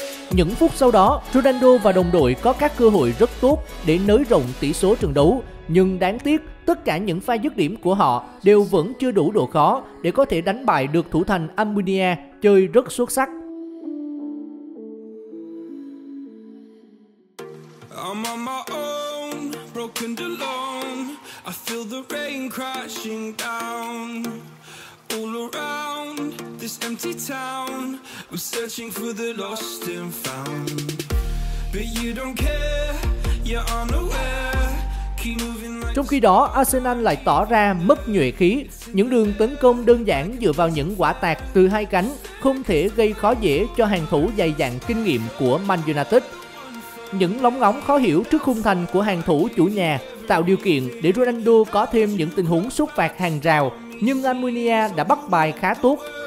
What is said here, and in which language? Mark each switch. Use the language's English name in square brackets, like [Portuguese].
[Vietnamese] Những phút sau đó, Ronaldo và đồng đội có các cơ hội rất tốt để nới rộng tỷ số trận đấu, nhưng đáng tiếc, tất cả những pha dứt điểm của họ đều vẫn chưa đủ độ khó để có thể đánh bại được thủ thành Almunia chơi rất xuất sắc. [English] I'm on my own, broken and alone. I feel the rain crashing down. All around this empty town, we're searching for the lost and found. But you don't care, you're unaware. Keep moving like... [Vietnamese] Trong khi đó, Arsenal lại tỏ ra mất nhuệ khí. Những đường tấn công đơn giản dựa vào những quả tạt từ hai cánh không thể gây khó dễ cho hàng thủ dày dặn kinh nghiệm của Man United. Những lóng ngóng khó hiểu trước khung thành của hàng thủ chủ nhà tạo điều kiện để Ronaldo có thêm những tình huống sút phạt hàng rào, nhưng Almunia đã bắt bài khá tốt.